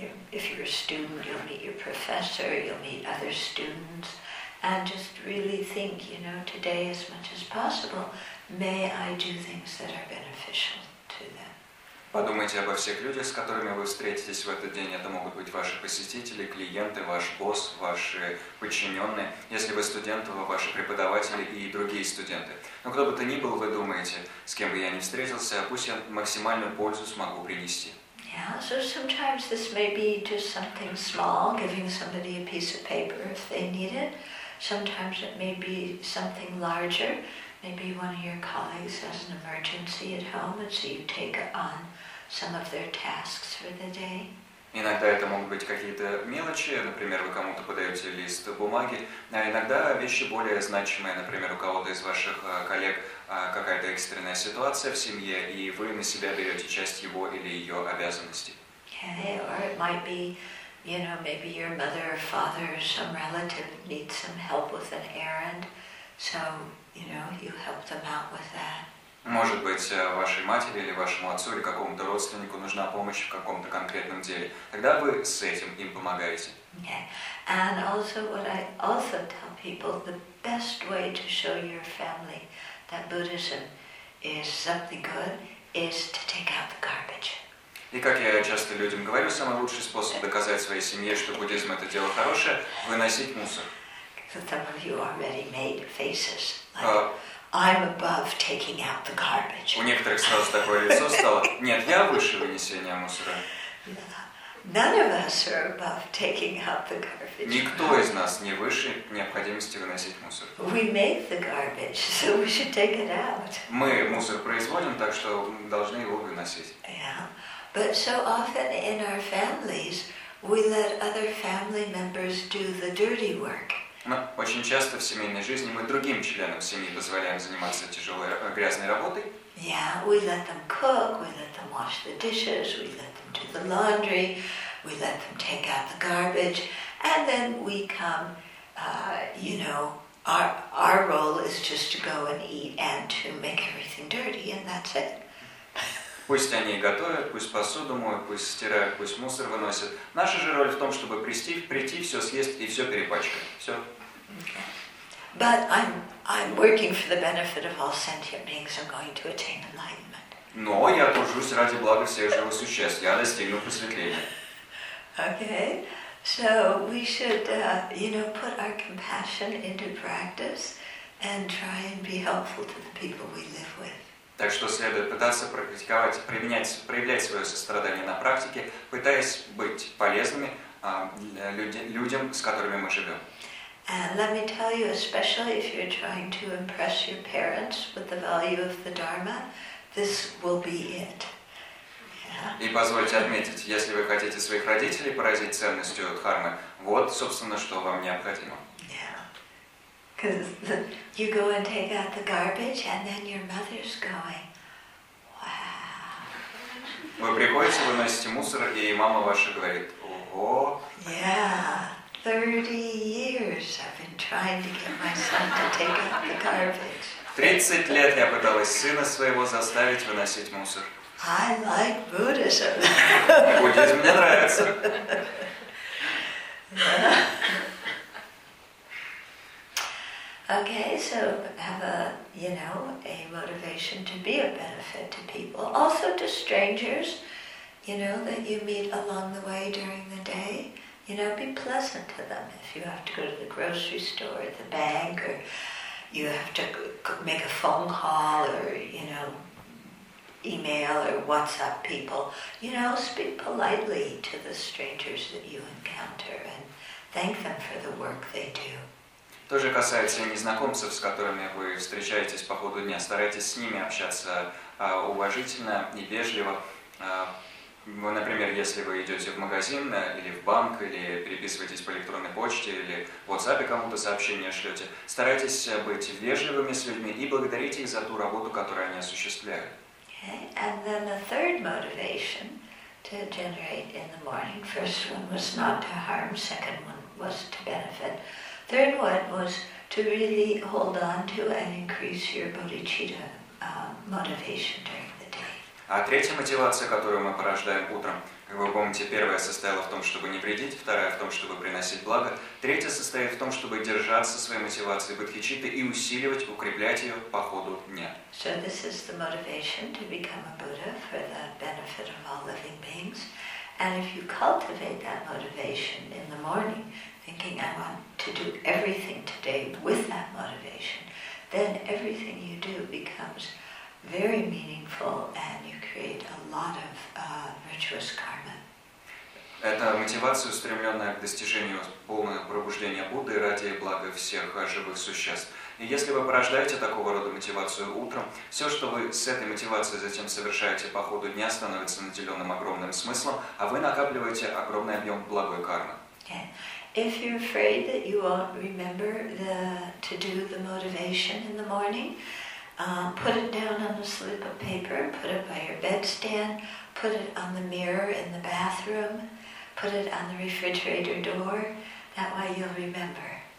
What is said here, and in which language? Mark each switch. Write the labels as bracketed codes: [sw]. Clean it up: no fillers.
[en] If you're a student, you'll meet your professor, you'll meet other students, and just really think, you know, today as much as possible, may I do things that are beneficial to them. [ru] Подумайте обо всех людях, с которыми вы встретитесь в этот день. Это могут быть ваши посетители, клиенты, ваш босс, ваши подчиненные. Если вы студент, то ваши преподаватели и другие студенты. Но кто бы то ни был, вы думаете, с кем бы я ни встретился, пусть я максимальную пользу смогу принести. [en] Yeah, so sometimes this may be just something small, giving somebody a piece of paper if they need it. Sometimes it may be something larger. Maybe one of your colleagues has an emergency at home, and so you take on some of their tasks for the day. [ru] Иногда это могут быть какие-то мелочи, например, вы кому-то подаете лист бумаги, а иногда вещи более значимые, например, у кого-то из ваших коллег какая-то экстренная ситуация в семье, и вы на себя берете часть его или ее обязанностей. [en] Okay, or it might be, you know, maybe your mother or father or some relative needs some help with an errand, so, you know, you help them out with that. [ru] Может быть, вашей матери или вашему отцу или какому-то родственнику нужна помощь в каком-то конкретном деле. Тогда вы с этим им помогаете. [en] Okay. And also what I also tell people, the best way to show your family that Buddhism is something good is to take out the garbage. [ru] И как я часто людям говорю, самый лучший способ доказать своей семье, что буддизм это дело хорошее, выносить мусор. [en] So some of you already made faces. Like, I'm above taking out the garbage. [ru] У некоторых сразу такое лицо стало. Нет, я выше вынесения мусора. [en] None of us are above taking out the garbage. [ru] Никто из нас не выше необходимости выносить мусор. [en] We make the garbage, so we should take it out. [ru] Мы мусор производим, так что должны его выносить. [en] Yeah. But so often in our families, we let other family members do the dirty work. [ru] Но очень часто в семейной жизни мы другим членам семьи позволяем заниматься тяжелой грязной работой. [en] Yeah, we let them cook, we let them wash the dishes, we let them do the laundry, we let them take out the garbage, and then we come, you know, our role is just to go and eat and to make everything dirty, and that's it. [ru] Пусть они готовят, пусть посуду моют, пусть стирают, пусть мусор выносят. Наша же роль в том, чтобы прийти, все съесть и все перепачкать. Все. [en] But I'm working for the benefit of all sentient beings. I'm going to attain enlightenment. [ru] Но я тружусь ради блага всех живых существ. Я достигну просветления. [en] Okay, so we should, you know, put our compassion into practice and try and be helpful to the people we live with. [ru] Так что следует пытаться практиковать, проявлять свое сострадание на практике, пытаясь быть полезными людям, с которыми мы живем. [en] And let me tell you, especially if you're trying to impress your parents with the value of the Dharma, this will be it. [ru] И позвольте отметить, если вы хотите своих родителей поразить ценностью Дхармы, вот, собственно, что вам необходимо. [en] Because you go and take out the garbage, and then your mother's going, wow. [ru] Вы приходите, выносите мусор, и мама ваша говорит, ого. [en] Yeah, 30 years I've been trying to get my son to take out the garbage. [ru] 30 лет я пыталась сына своего заставить выносить мусор. [en] I like Buddhism. [ru] Буддизм мне нравится. [en] Okay, so have a, you know, a motivation to be a benefit to people, also to strangers, you know, that you meet along the way during the day. You know, be pleasant to them. If you have to go to the grocery store or the bank, or you have to make a phone call or, you know, email or WhatsApp people, you know, speak politely to the strangers that you encounter and thank them for the work they do. [ru] То же касается и незнакомцев, с которыми вы встречаетесь по ходу дня. Старайтесь с ними общаться уважительно и вежливо. Например, если вы идете в магазин или в банк, или переписываетесь по электронной почте, или в WhatsApp кому-то сообщение шлете, старайтесь быть вежливыми с людьми и благодарите их за ту работу, которую они осуществляют. [en] Okay. And then the third motivation to generate in the morning. First one was not to harm, second one was to benefit. Third one was to really hold on to and increase your bodhicitta motivation during the day. [ru] А третья мотивация, которую мы порождаем утром, как вы помните, первая состояла в том, чтобы не вредить, вторая в том, чтобы приносить благо, третья состоит в том, чтобы держаться своей мотивации бодхичитты и усиливать, укреплять ее по ходу дня. [en] So this is the motivation to become a Buddha for the benefit of all living beings. And if you cultivate that motivation in the morning, thinking I want to do everything today with that motivation, then everything you do becomes very meaningful and you create a lot of virtuous karma. [ru] Это мотивация, устремленная к достижению полного пробуждения Будды ради блага всех живых существ. И если вы порождаете такого рода мотивацию утром, все, что вы с этой мотивацией затем совершаете по ходу дня, становится наделенным огромным смыслом, а вы накапливаете огромный объем благой кармы. [en] If you're afraid that you won't remember to do the motivation in the morning, put it down on a slip of paper, put it by your bedstand, put it on the mirror in the bathroom, put it on the refrigerator door, that way you'll remember.